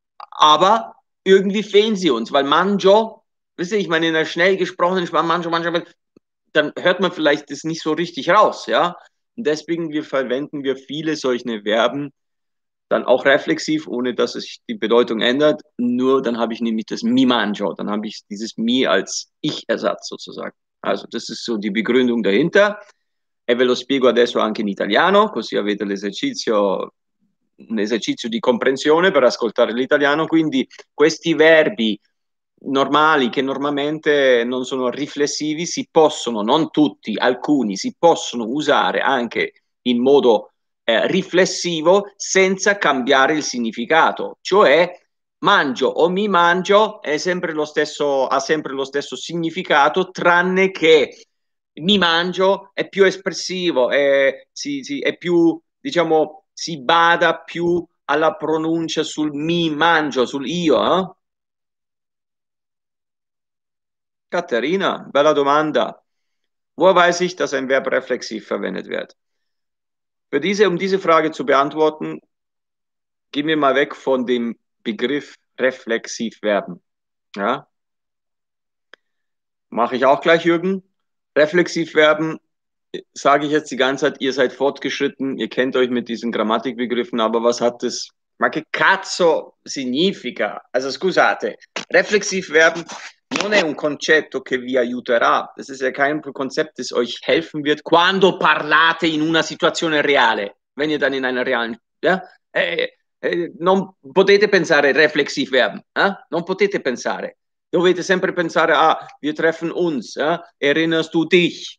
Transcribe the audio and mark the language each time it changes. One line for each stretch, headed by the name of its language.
German: Aber irgendwie fehlen sie uns, weil mangio, wisst ihr, ich meine in der schnell gesprochenen Sprache, mangio, mangio, dann hört man vielleicht das nicht so richtig raus. Ja? Und deswegen verwenden wir viele solche Verben dann auch reflexiv, ohne dass sich die Bedeutung ändert. Nur dann habe ich nämlich das mi mangio, dann habe ich dieses mi als Ich-Ersatz sozusagen. Also das ist so die Begründung dahinter.
Italian: E ve lo spiego adesso anche in italiano, così avete l'esercizio. Un esercizio di comprensione per ascoltare l'italiano, quindi questi verbi normali che normalmente non sono riflessivi si possono, non tutti, alcuni, si possono usare anche in modo riflessivo senza cambiare il significato, cioè mangio o mi mangio è sempre lo stesso, ha sempre lo stesso significato, tranne che mi mangio è più espressivo, è più, diciamo, si bada più alla pronuncia sul mi mangio, sul io. Eh? Caterina, bella domanda.
German: Wo weiß ich, dass ein Verb reflexiv verwendet wird? Für diese, um diese Frage zu beantworten, gehen wir mal weg von dem Begriff reflexiv werben. Ja? Mache ich auch gleich, Jürgen. Reflexiv werben. Sage ich jetzt die ganze Zeit, ihr seid fortgeschritten, ihr kennt euch mit diesen Grammatikbegriffen, aber was hat das?
Italian: Ma che cazzo significa? Also scusate, reflexiv werden non è un concetto che vi aiuterà.
German: Das ist ja kein Konzept, das euch helfen wird,
Italian: quando parlate in una situazione reale.
German: Wenn ihr dann in einer realen, ja?
Italian: Non potete pensare reflexiv werden. Eh? Non potete pensare. Dovete sempre pensare, ah,
German: wir treffen uns,
Italian: eh?
German: Erinnerst du dich?